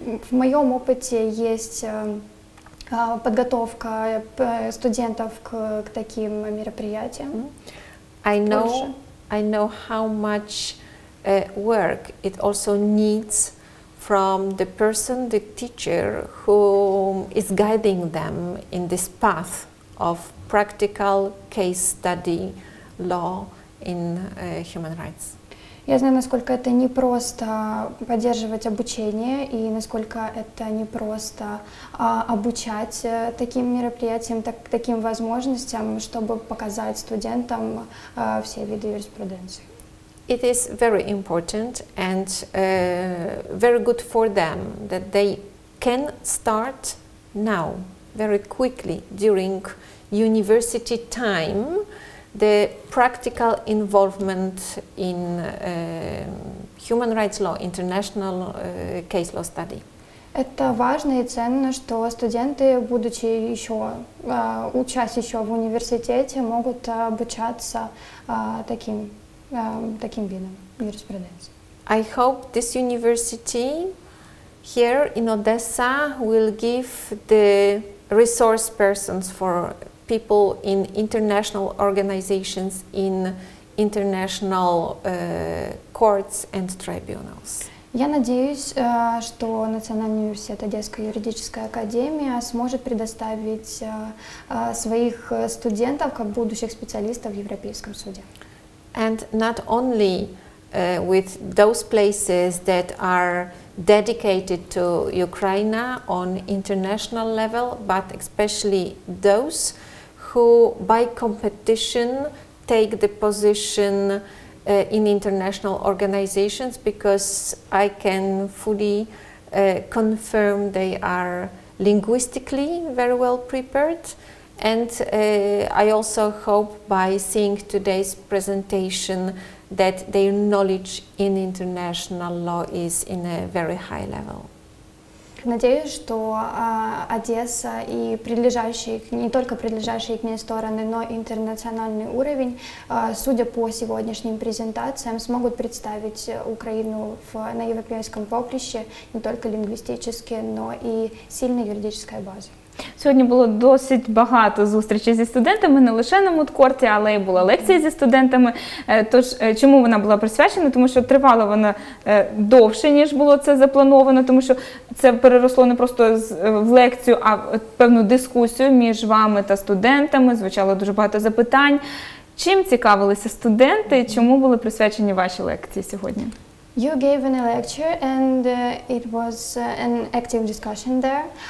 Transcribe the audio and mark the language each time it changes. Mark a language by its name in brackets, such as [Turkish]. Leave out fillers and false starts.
[Russian] В моем опыте есть подготовка студентов к таким мероприятиям. [English] I know how much work it also needs from the person, the teacher, who is guiding them in this path of practical case study law in human rights. [Russian] Я знаю, насколько это непросто поддерживать обучение и насколько это непросто обучать таким мероприятиям, таким возможностям, чтобы показать студентам все виды юриспруденции. [English] It is very important and very good for them that they can start now, very quickly, during university time, the practical involvement in human rights law, international case law study. [Russian] Это важно и ценно, что студенты, будучи еще учась еще в университете, могут обучаться таким. Таким видом юриспруденции. [English] I hope this university here in Odessa will give the resource persons for people in international organizations, in international courts and tribunals. [Russian] Я надеюсь, что Национальный университет Одесской юридической академии сможет предоставить своих студентов как будущих специалистов в Европейском суде. [English] And not only with those places that are dedicated to Ukraine on international level, but especially those who by competition take the position in international organizations, because I can fully confirm they are linguistically very well prepared. And I also hope by seeing today's presentation that their knowledge in international law is in a very high level. [Russian] Надеюсь, что Одесса и прилежащие, не только прилежащие к ней стороны, но и интернациональный уровень, судя по сегодняшним презентациям, смогут представить Украину на европейском поприще не только лингвистически, но и сильной юридической базой. [Ukrainian] Сьогодні було досить багато зустрічей зі студентами, не лише на мудкорті, але й була лекція зі студентами. Тож, чому вона була присвячена? Тому що тривала вона довше, ніж було це заплановано, тому що це переросло не просто в лекцію, а в певну дискусію між вами та студентами, звучало дуже багато запитань. Чим цікавилися студенти і чому були присвячені ваші лекції сьогодні? [English] You gave a lecture and it was an active discussion there.